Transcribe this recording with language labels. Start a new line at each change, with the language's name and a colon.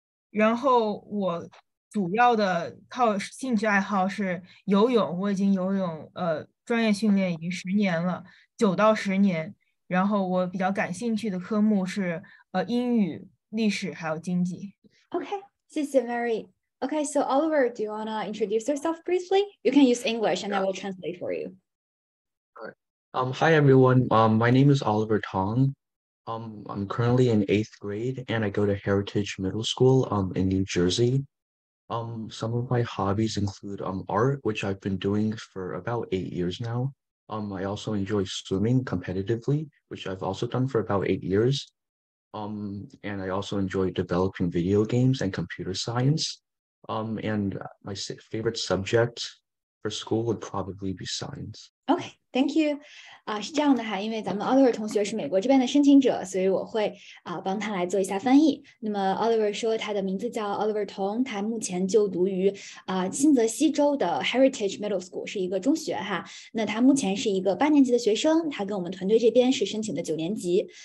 Chinese: 然后我主要的靠兴趣爱好是游泳，我已经游泳专业训练已经十年了，9到10年。然后我比较感兴趣的科目是英语、历史还有经济。 Okay, 谢谢 Mary.
English: Okay, so Oliver, do you want to introduce yourself briefly? You can use English and I will translate for you. All right. Hi, everyone. My name is Oliver Tong. I'm currently in 8th grade and I go to Heritage Middle School in New Jersey. Some of my hobbies include art, which I've been doing for about 8 years now. I also enjoy swimming competitively, which I've also done for about 8 years. And I also enjoy developing video games and computer science. And my favorite subject for school would probably be science. Okay, thank you.
Chinese: 是这样的哈，因为咱们 Oliver 同学是美国这边的申请者，所以我会帮他来做一下翻译。那么 Oliver 说他的名字叫 Oliver Tong， 他目前就读于新泽西州的 Heritage Middle School， 是一个中学哈。那他目前是一个8年级的学生，他跟我们团队这边是申请的9年级。